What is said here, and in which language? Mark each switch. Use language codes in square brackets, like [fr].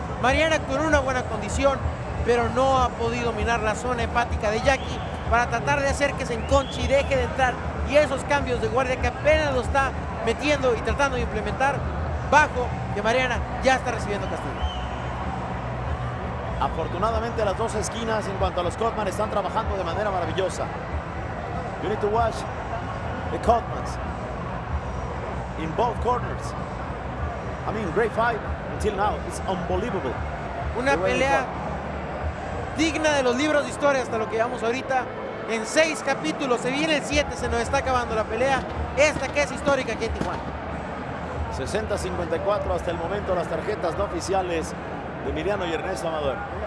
[es] Mariana con una buena condición, pero no ha podido dominar la zona hepática de Jackie para tratar de hacer que se enconche y deje de entrar. Y esos cambios de guardia que apenas lo está metiendo y tratando de implementar, bajo que Mariana ya está recibiendo castigo. Afortunadamente las dos esquinas en cuanto a los Cotman están trabajando de manera maravillosa. [en] You need to watch the Cotmans in both corners. I mean, great fight until now. It's unbelievable. [es] Una pelea digna de los libros de historia hasta lo que llevamos ahorita. En 6 capítulos, se viene el 7, se nos está acabando la pelea. Esta que es histórica aquí en Tijuana. 60-54 hasta el momento las tarjetas no oficiales de Emiliano y Ernesto Amador.